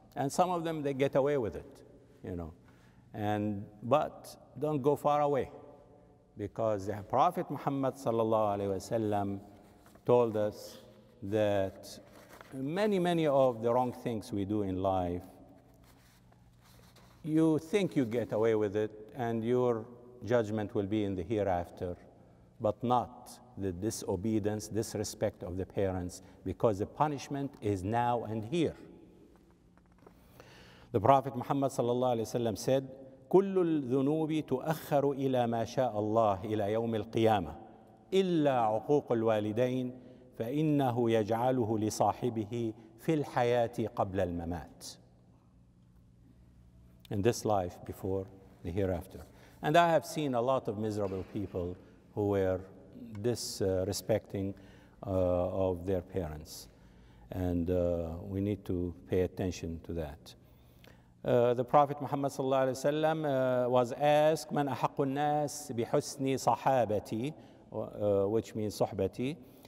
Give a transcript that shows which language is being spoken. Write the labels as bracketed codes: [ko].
[en] And some of them, they get away with it, you know. But don't go far away, because the Prophet Muhammad sallallahu alaihi wasallam told us that many, many of the wrong things we do in life, you think you get away with it and your judgment will be in the hereafter, but not the disobedience, disrespect of the parents, because the punishment is now and here. The Prophet Muhammad sallallahu alaihi wasallam said, [ar] "كل الذنوب تؤخر إلى ما شاء الله إلى يوم القيامة إلا عقوق الوالدين فإنه يجعله لصاحبه في الحياة قبل الممات." [en] In this life, before the hereafter, and I have seen a lot of miserable people who were disrespecting of their parents, and we need to pay attention to that. The Prophet Muhammad sallallahu alaihi wasallam was asked, [ar] "Man ahaqqu an-nas bihusni sahabati," [en] which means sohbati.